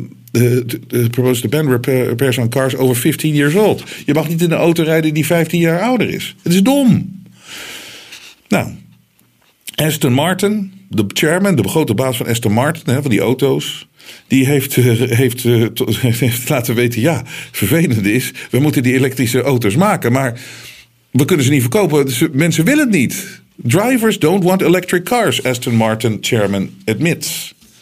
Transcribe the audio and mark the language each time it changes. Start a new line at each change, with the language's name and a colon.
English: the proposed ban repairs on cars over 15 years old.
Dutch: Je mag niet in een auto rijden die 15 jaar ouder is. Het is dom. Nou, Aston Martin, de chairman, de grote baas van Aston Martin, van die auto's, die heeft laten weten, ja, vervelend is, we moeten die elektrische auto's maken, maar we kunnen ze niet verkopen, mensen willen het niet.
English: Drivers don't want electric cars, Aston Martin chairman admits.